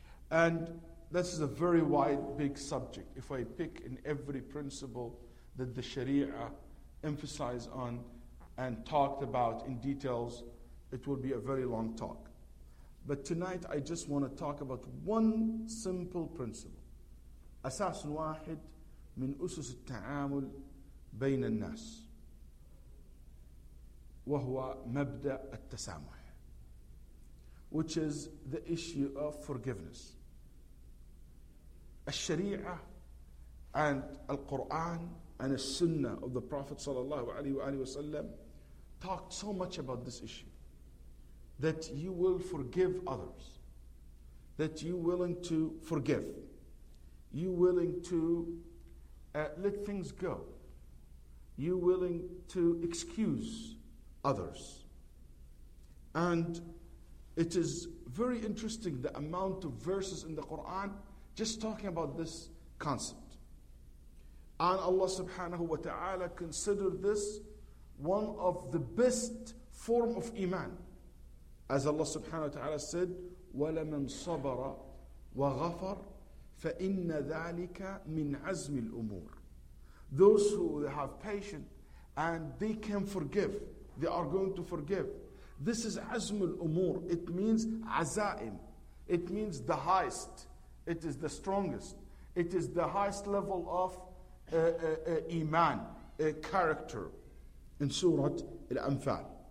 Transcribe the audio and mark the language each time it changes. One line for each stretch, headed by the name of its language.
English: And this is a very wide, big subject. If I pick in every principle that the Sharia emphasized on and talked about in details, it would be a very long talk. But tonight I just want to talk about one simple principle.
Arabic: أساس واحد من أسس التعامل بين الناس وهو مبدأ التسامح,
English: which is the issue of forgiveness. الشريعة and القرآن and السنة of the Prophet صلى الله عليه وآله وسلم talked so much about this issue, that you will forgive others, that you're willing to forgive, you're willing to let things go, you're willing to excuse others. And it is very interesting the amount of verses in the Quran just talking about this concept. And Allah subhanahu wa ta'ala considered this one of the best form of iman. As Allah subhanahu wa ta'ala said,
Arabic: وَلَمَنْ صَبَرَ وَغَفَرَ فَإِنَّ ذَٰلِكَ مِنْ عَزْمِ الْأُمُورِ.
English: Those who have patience and they can forgive, they are going to forgive. This is
Arabic: عزم الأمور.
English: It means عزائم. It means the highest. It is the strongest. It is the highest level of iman, character in Surah Al-Anfal.